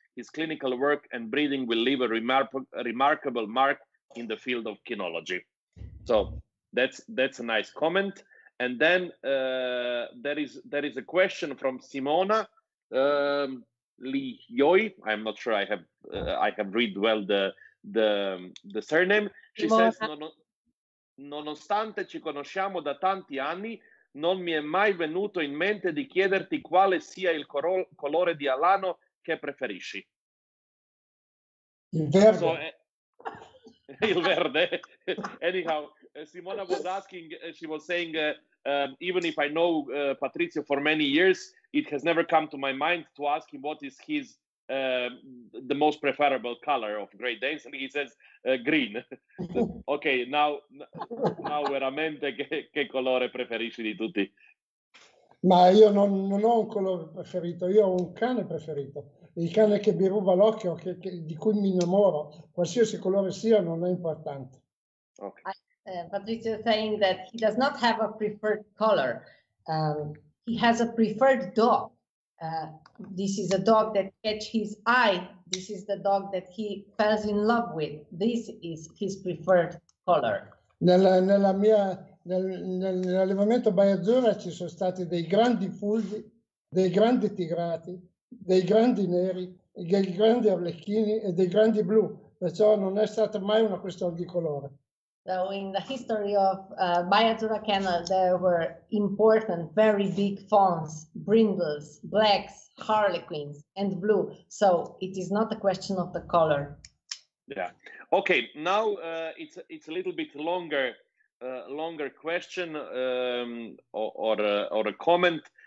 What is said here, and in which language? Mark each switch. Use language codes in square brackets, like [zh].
[en] His clinical work and breeding will leave a remarkable mark in the field of kinology. So that's a nice comment. And then there is a question from Simona Lijoj. I'm not sure I have read well the surname. She Simona. Says, no. [it] Nonostante ci conosciamo da tanti anni, non mi è mai venuto in mente di chiederti quale sia il colore di Alano che preferisci. Il verde. So, il verde. [en] Anyhow, Simona was asking, she was saying, even if I know Patrizio for many years, it has never come to my mind to ask him what is his the most preferable color of Great Danes, and he says green. [it] Okay, now veramente che colore preferisci di tutti? Ma io non ho un colore preferito, io ho un cane preferito, il cane che mi ruba l'occhio, che di cui mi innamoro, qualsiasi colore sia non è importante. [en] Okay. Patrizio saying that he does not have a preferred color, he has a preferred dog. This is a dog that catch his eye. This is the dog that he falls in love with. This is his preferred color. [it] Nell'allevamento Bayazzurra ci sono stati dei grandi fulvi, dei grandi tigrati, dei grandi neri, dei grandi arlecchini e dei grandi blu. Perciò non è stata mai una questione di colore. [en] So in the history of Bayazzurra Kennel, there were important, very big fawns, brindles, blacks, harlequins, and blue. So it is not a question of the color. Yeah. Okay. Now it's a little bit longer question or a comment.